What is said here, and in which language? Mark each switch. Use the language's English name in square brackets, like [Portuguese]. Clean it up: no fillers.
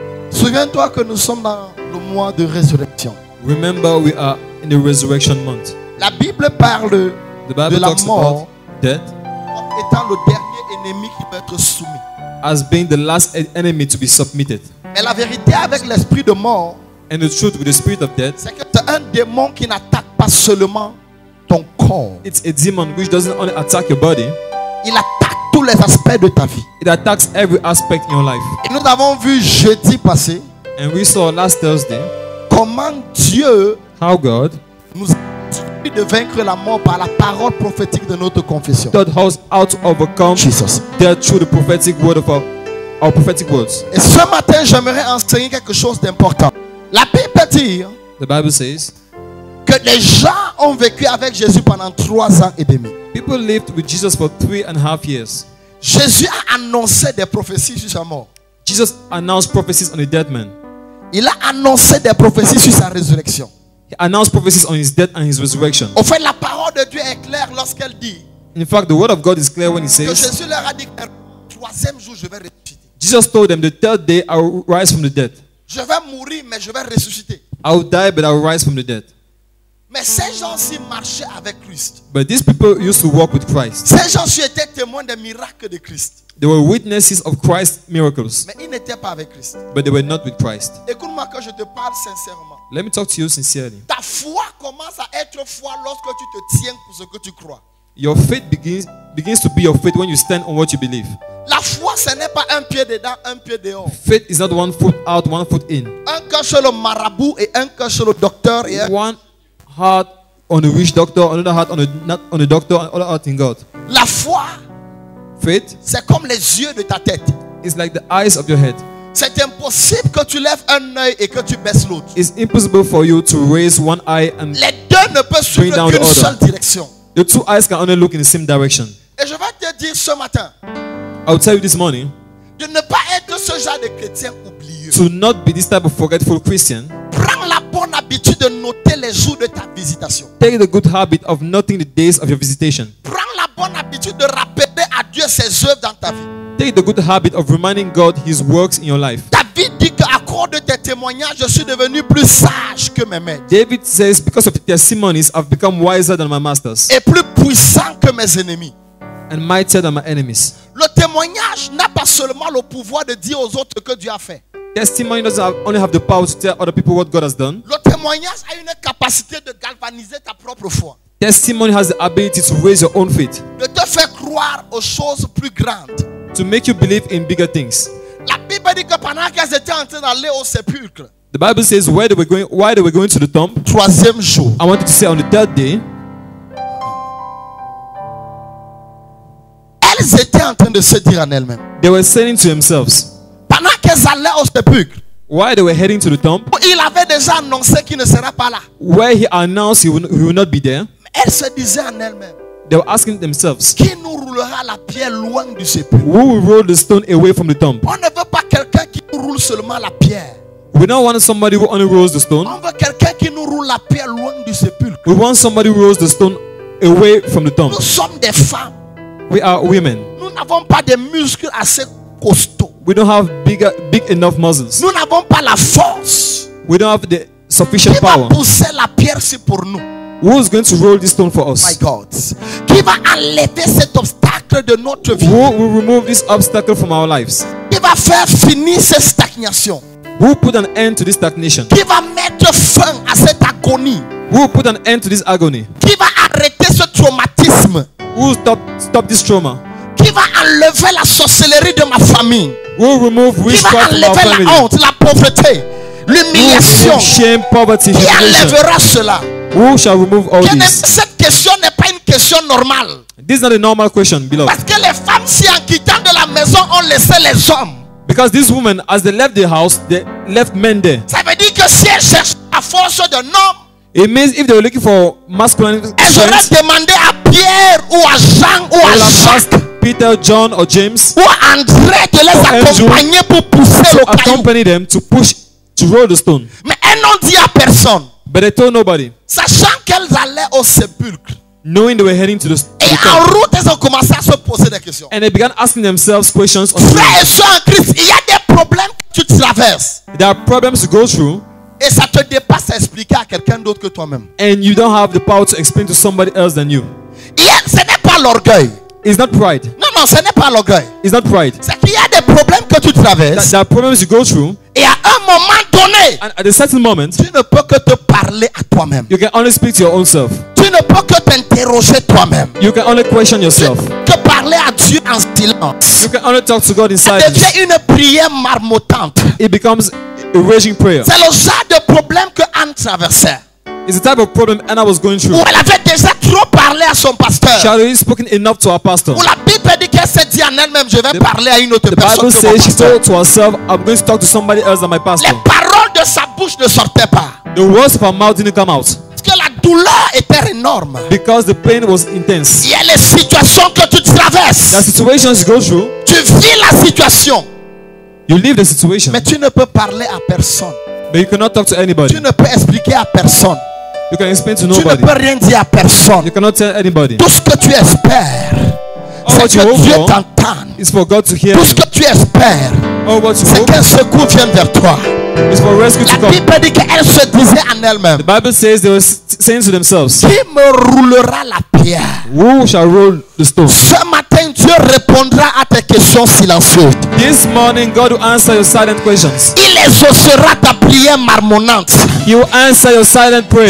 [French] Souviens-toi que nous sommes dans le mois de résurrection. [English] Remember we are in the resurrection month. [French] La Bible parle [English] the Bible [French] de la [English] talks [French] mort [English] about death [French] comme étant le dernier ennemi qui va être soumis. [English] As being the last enemy to be submitted. [French] Mais la vérité avec l'esprit de mort, [English] and the truth with the spirit of death, [French] c'est que c'est un démon qui n'attaque pas seulement ton corps. [English] It's a demon which doesn't only attack your body. [French] Il attaque tous les aspects de ta vie. [English] It attacks every aspect in your life. [French] Et nous avons vu jeudi passé. [English] And we saw last Thursday. [French] Comment Dieu. [English] How God. [French] Nous permet de vaincre la mort par la parole prophétique de notre confession. [English] God helps us to overcome Jesus. Death through the prophetic word of our prophetic words. [French] Et ce matin, j'aimerais enseigner quelque chose d'important. La Bible dit. [English] The Bible says. [French] Que les gens ont vécu avec Jésus pendant 3 ans et demi. [English] People lived with Jesus for 3.5 years. [French] Jésus a annoncé des prophéties sur sa mort. [English] Jesus announced prophecies on a dead man. [French] Il a annoncé des prophéties sur sa résurrection. [English] He announced prophecies on his death and his resurrection. [French] En fait, la parole de Dieu est claire lorsqu'elle dit. [English] In fact, the word of God is clear when he says. [French] Que Jésus leur a dit, troisième jour, je vais ressusciter. [English] Jesus told them, the third day I will rise from the dead. [French] Je vais mourir, mais je vais ressusciter. [English] I will die, but I will rise from the dead. [French] Mais ces gens-ci marchaient avec Christ. [English] But these people used to walk with Christ. [French] Ces gens-ci étaient témoins des miracles de Christ. [English] They were witnesses of Christ's miracles. [French] Mais ils n'étaient pas avec Christ. [English] But they were not with Christ. [French] Écoute-moi quand je te parle sincèrement. [English] Let me talk to you sincerely. [French] Ta foi commence à être foi lorsque tu te tiens pour ce que tu crois. [English] Your faith begins to be your faith when you stand on what you believe. [French] La foi, ce n'est pas un pied dedans, un pied dehors. [English] Faith is not one foot out, one foot in. [French] Un cœur chez le marabout et un cœur chez le docteur. [English] One heart on a rich doctor, another heart on a doctor, another heart in God. [French] La foi, [English] faith, [French] c'est comme les yeux de ta tête. [English] It's like the eyes of your head. [French] C'est impossible que tu lèves un œil et que tu baisses l'autre. [English] It's impossible for you to raise one eye and [French] les deux ne peuvent suivre qu'une seule direction. [English] The two eyes can only look in the same direction. [French] Et je vais te dire ce matin. [English] I will tell you this morning. [French] De ne pas être ce genre de chrétien oublié. [English] To not be this type of forgetful Christian. [French] Prends la bonne habitude de noter les jours de ta visitation. [English] Take the good habit of noting the days of your visitation. [French] Prends la bonne habitude de rappeler à Dieu ses œuvres dans ta vie. [English] Take the good habit of reminding God His works in your life. [French] David dit que à cause de tes témoignages, je suis devenu plus sage que mes maîtres. [English] David says, because of your testimonies, I've become wiser than my masters. [French] Et plus puissant que mes ennemis. [English] And mightier than my enemies. [French] Le témoignage n'a pas seulement le pouvoir de dire aux autres que Dieu a fait. [English] Testimony doesn't only have the power to tell other people what God has done. [French] Le témoignage a une capacité de galvaniser ta propre foi. [English] Testimony has the ability to raise your own faith. [French] De te faire croire aux choses plus grandes. [English] To make you believe in bigger things. [French] La Bible dit que pendant qu'ils étaient en train d'aller au sépulcre. [English] The Bible says why they were going to the tomb. [French] Troisième jour. [English] I wanted to say on the third day. [French] Elles étaient en train de se dire en elles-mêmes. [English] They were saying to themselves. [French] Pendant qu'elles allaient au sépulcre. [English] Why they were heading to the tomb. [French] Il avait déjà annoncé qu'il ne sera pas là. [English] Where he announced he will not be there. [French] Mais elles se disaient en elles-mêmes. [English] They were asking themselves. [French] Qui nous roulera la pierre loin du sépulcre. [English] Who will roll the stone away from the tomb. [French] On ne veut pas quelqu'un qui nous roule seulement la pierre. [English] We don't want somebody who only rolls the stone. [French] On veut quelqu'un qui nous roule la pierre loin du sépulcre. [English] We want somebody who rolls the stone away from the tomb. [French] Nous sommes des femmes. [English] We are women. [French] Nous n'avons pas des muscles assez costauds. [English] We don't have big enough muscles. [French] Nous n'avons pas la force. [English] We don't have the sufficient power. [French] Qui va pousser la pierre ici pour nous? [English] Who is going to roll this stone for us? My God. [French] Qui va enlever cet obstacle de notre vie? [English] Who will remove this obstacle from our lives? [French] Qui va faire finir cette stagnation? [English] Who put an end to this stagnation? [French] Qui va mettre fin à cette agonie? [English] Who put an end to this agony? [French] Qui va arrêter ce traumatisme? [English] Who will stop this trauma? [French] Qui va enlever la sorcellerie de ma famille? [English] Who will remove witchcraft from my family? [French] Qui va enlever la honte, la pauvreté, l'humiliation? [English] Shame, poverty, [French] qui enlèvera cela? [English] Who shall remove all [French] bien [English] this? [French] Cette question n'est pas une question normale. [English] This is not a normal question, beloved. [French] Parce que les femmes, si en quittant de la maison, ont laissé les hommes. [English] Because these women, as they left the house, they left men there. [French] Ça veut dire que si elles cherchent la force de nom. [English] It means if they were looking for masculine strength. [French] Elles auraient demandé à Pierre ou à Jean ou à Jacques. [English] Peter, John or James. [French] Ou à André de les accompagner pour pousser le caillou. [English] To accompany them to push, to roll the stone. [French] Mais elles n'ont dit à personne. [English] But they told nobody. [French] Sachant qu'elles allaient au sépulcre. [English] Knowing they were heading to the [French] et en camp. Route, elles ont commencé à se poser des questions. [English] And they began asking themselves questions. [French] Frères et sœurs en Christ, il y a des problèmes que tu traverses. [English] There are problems to go through. [French] Et ça te dépasse à expliquer à quelqu'un d'autre que toi-même. [English] And you don't have the power to explain to somebody else than you. [French] Et ce n'est pas l'orgueil. [English] It's not pride. [French] Non, non, ce n'est pas l'orgueil. [English] It's not pride. [French] C'est qu'il y a des problèmes que tu traverses. [English] There are problems you go through. [French] Et à un moment donné. [English] And at a certain moment. [French] Tu ne peux que te parler à toi-même. [English] You can only speak to your own self. [French] Tu ne ne peux que t'interroger toi-même. [English] You can only question yourself. [French] Que parler à Dieu en silence. [English] You can only talk to God in silence. [French] Devient une prière marmottante. [English] It becomes a raging prayer. [French] C'est le genre de problème que Anne traversait. [English] It's the type of problem Anna was going through. [French] Où elle avait déjà trop parlé à son pasteur. [English] She had already spoken enough to her pastor. [French] Où la Bible dit qu'elle s'est dit en elle-même, je vais parler à une autre personne. [English] The Bible says she told to herself, I'm going to talk to somebody else than my pastor. [French] Les paroles de sa bouche ne sortaient pas. [English] The words of her mouth didn't come out. [French] Parce que la douleur était énorme. [English] Because the pain was intense. [French] Il y a les situations que tu traverses. [English] The situations you go through. [French] Tu vis la situation. [English] You live the situation. [French] Mais tu ne peux parler à personne. [English] But you cannot talk to anybody. [French] Tu ne peux expliquer à personne. [English] You can explain to nobody. [French] Tu ne peux rien dire à personne. [English] You cannot tell anybody. [French] Tout ce que tu espères, c'est que Dieu t'entende. [English] It's for God to hear. [French] Tout ce que tu espères, c'est qu'un secours vienne vers toi. [English] It's for rescue to come. [French] La Bible dit qu'elle se disait en elle-même. [English] The Bible says they were saying to themselves. [French] Qui me roulera la pierre? [English] Who shall roll the stone? [French] Ce matin, Dieu répondra à tes questions silencieuses. [English] This morning, God will answer your silent questions. [French] Il exaucera ta prière marmonnante. [English] He will answer your silent prayer.